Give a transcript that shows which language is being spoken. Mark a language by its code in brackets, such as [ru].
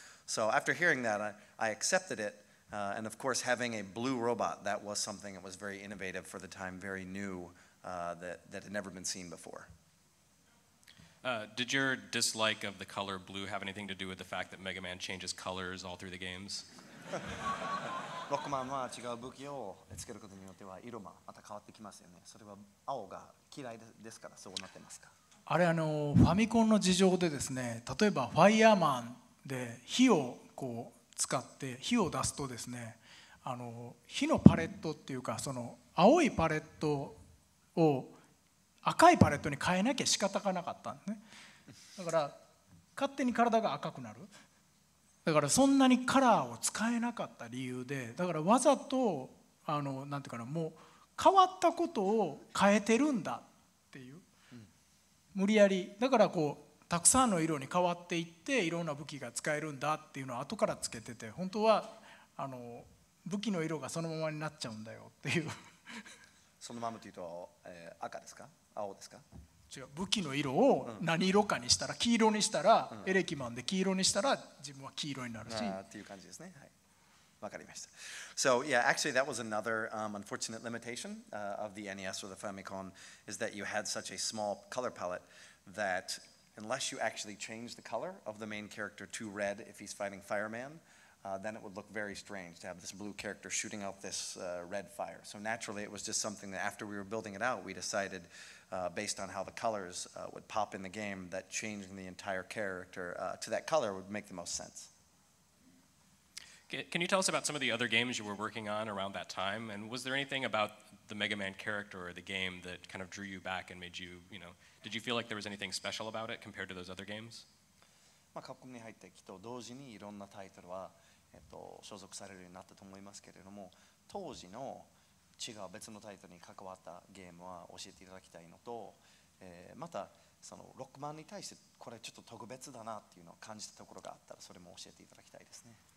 [en] So after hearing that, I accepted it, and of course, having a blue robot, that was something that was very innovative for the time, very new, that had never been seen before. Did your dislike of the color blue have anything to do with the fact that Mega Man changes colors all through the games? [ja] ロックマンは違う武器をつけることによっては色もまた変わってきますよね。それは青が嫌いですからそうなってますか。あれファミコンの事情でですね、例えばファイヤーマンで火をこう使って火を出すとですね、火のパレットっていうか、その青いパレットを赤いパレットに変えなきゃ仕方がなかったんね。だから勝手に体が赤くなる。だからそんなにカラーを使えなかった理由で、だからわざとなんていうかな、もう変わったことを変えてるんだっていう、無理やり。だからこうたくさんの色に変わっていって、いろんな武器が使えるんだっていうのは後からつけてて、本当は武器の色がそのままになっちゃうんだよっていう。そのままというと、赤ですか、青ですか。違う、武器の色を何色かにしたら、黄色にしたら、エレキマンで黄色にしたら自分は黄色になるし、っていう感じですね。はい、わかりました。 [en] So yeah, actually that was another unfortunate limitation of the NES or the Famicom, is that you had such a small color palette that unless you actually change the color of the main character to red if he's fighting Fireman, then it would look very strange to have this blue character shooting out this red fire. So naturally it was just something that after we were building it out, we decidedbased on how the colors would pop in the game, that changing the entire character to that color would make the most sense. Can you tell us about some of the other games you were working on around that time? And was there anything about the Mega Man character or the game that kind of drew you back and made you, did you feel like there was anything special about it compared to those other games? [ja] まあ、カプコンに入ってきて同時にいろんなタイトルは、所属されるようになったと思いますけれども、当時の違う別のタイトルに関わったゲームは教えていただきたいのと、またそのロックマンに対してこれちょっと特別だなっていうのを感じたところがあったら、それも教えていただきたいですね。